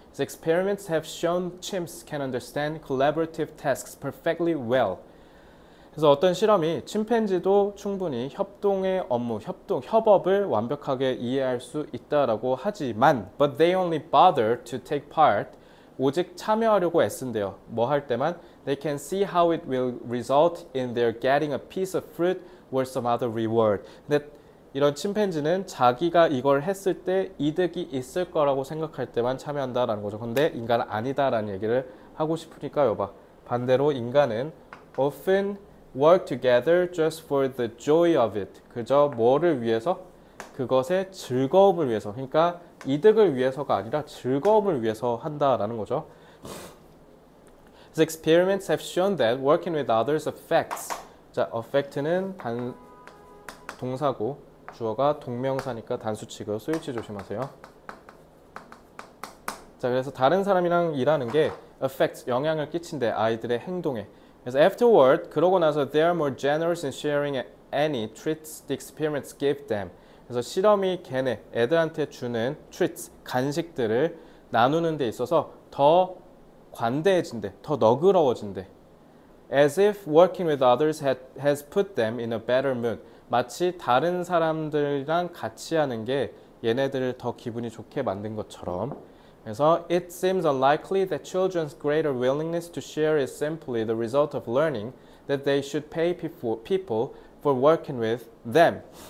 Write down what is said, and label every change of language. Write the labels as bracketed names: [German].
[English] Experiments have shown chimps can understand collaborative tasks perfectly well. [Korean] 그래서 어떤 실험이 침팬지도 충분히 협동의 업무, 협업을 완벽하게 이해할 수 있다라고 하지만, [English] but they only bother to take part. [Korean] 오직 참여하려고 애쓴대요. 뭐할 때만? [English] They can see how it will result in their getting a piece of fruit or some other reward. [Korean] 근데 이런 침팬지는 자기가 이걸 했을 때 이득이 있을 거라고 생각할 때만 참여한다라는 거죠. 근데 인간은 아니다라는 얘기를 하고 싶으니까 여봐. 반대로 인간은 [English] often work together just for the joy of it. [Korean] 그저 뭐를 위해서? 그것의 즐거움을 위해서. 그러니까 이득을 위해서가 아니라 즐거움을 위해서 한다라는 거죠. [English] These experiments have shown that working with others affects. [Korean] 자, affect는 동사고 주어가 동명사니까 단수 취급, 스위치 조심하세요. 자, 그래서 다른 사람이랑 일하는 게 affect 영향을 끼친대 아이들의 행동에. 그래서 [English] afterward [Korean] 그러고 나서 [English] they are more generous in sharing any treats the experience gave them. [Korean] 그래서 실험이 걔네 애들한테 주는 treats 간식들을 나누는 데 있어서 더 관대해진대, 더 너그러워진대. [English] As if working with others has put them in a better mood. [Korean] 마치 다른 사람들이랑 같이 하는 게 얘네들을 더 기분이 좋게 만든 것처럼. 그래서 [English] It seems unlikely that children's greater willingness to share is simply the result of learning that they should pay people for working with them.